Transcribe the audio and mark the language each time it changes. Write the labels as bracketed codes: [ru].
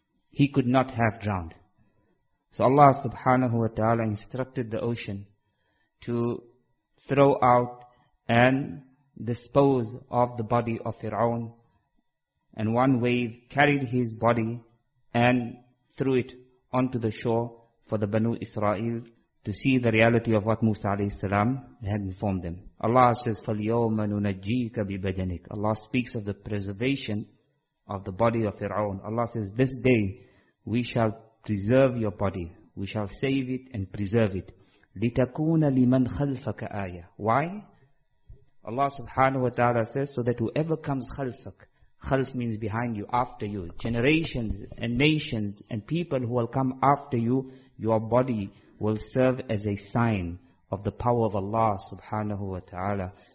[en] He could not have drowned. So Allah subhanahu wa ta'ala instructed the ocean to throw out and dispose of the body of Fir'aun, and one wave carried his body and threw it onto the shore for the Banu Israel to see the reality of what Musa alayhi salam had informed them. Allah says, [ar] فَالْيَوْمَ نُنَجِّيكَ بِبَدَنِكَ. [en] Allah speaks of the preservation of the body of Fir'aun. Allah says, this day we shall preserve your body. We shall save it and preserve it. [ar] لِتَكُونَ لِمَنْ خَلْفَكَ آيَةً. [en] Why? Allah subhanahu wa ta'ala says, so that whoever comes [ar] خلفك, خلف [en] means behind you, after you, generations and nations and people who will come after you, your body will serve as a sign of the power of Allah subhanahu wa ta'ala.